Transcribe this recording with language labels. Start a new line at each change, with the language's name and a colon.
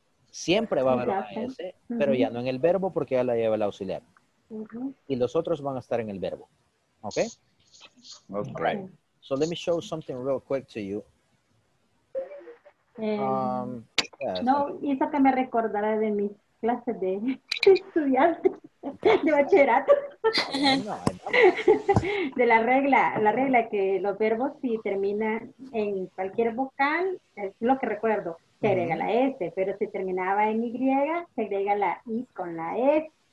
Spanish: Siempre va a haber una S, pero ya no en el verbo porque ya la lleva el auxiliar. Y los otros van a estar en el verbo.
English: Okay. All right. So let me show something real quick to you. Yes.
Spanish: No, eso que me recordara de mis clases de estudiante de bachillerato. No, de la regla que los verbos si terminan en cualquier vocal, es lo que recuerdo, se agrega la S, pero si terminaba en Y, se agrega la I con la S.